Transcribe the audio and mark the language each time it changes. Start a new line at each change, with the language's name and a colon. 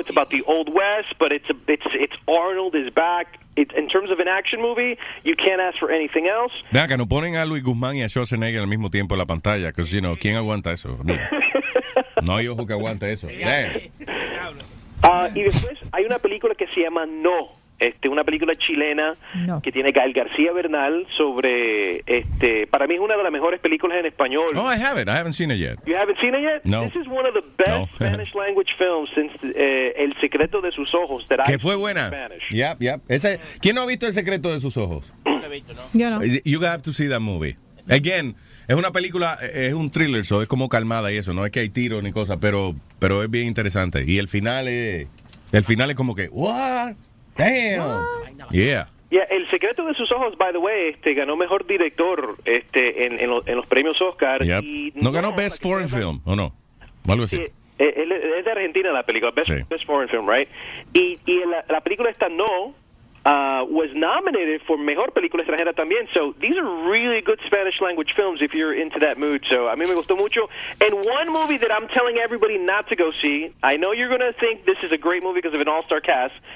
English: It's about the Old West, but it's Arnold is back. In terms of an action movie, you can't ask for anything else.
Spanish: Vean que no ponen a Luis Guzmán y a Schwarzenegger al mismo tiempo en la pantalla, que si no, ¿quién aguanta eso? No, no hay ojo que aguante eso. Y después hay una película que se llama No. Una película chilena que tiene Gael García Bernal sobre, para mí es una de las mejores películas en español.
English: Oh, I haven't seen it yet. You haven't seen it yet? No. This is one of the best Spanish language films since El Secreto de Sus Ojos.
Spanish: Que fue buena. Yep. ¿Quién no ha visto El Secreto de Sus Ojos? No he visto, ¿no? Yo no.
English: You have to see that movie.
Spanish: Again, es una película, es un thriller, es como calmada y eso, no es que hay tiros ni cosas, pero es bien interesante. Y el final es como que,
English: what? Damn. Yeah.
Spanish: El Secreto de Sus Ojos,
English: by the way,
Spanish: ganó mejor director en los premios Oscar.
English: Yep.
Spanish: Y no ganó Best Foreign Film, ¿o no? Algo así. Es de Argentina la película, Best Foreign Film, right? Y la película esta
English: was nominated for
Spanish: mejor película extranjera también.
English: So these are really good Spanish language films if you're into that mood. So
Spanish: a mí me gustó mucho.
English: And one movie that I'm telling everybody not to go see. I know you're gonna think this is a great movie because of an all-star cast.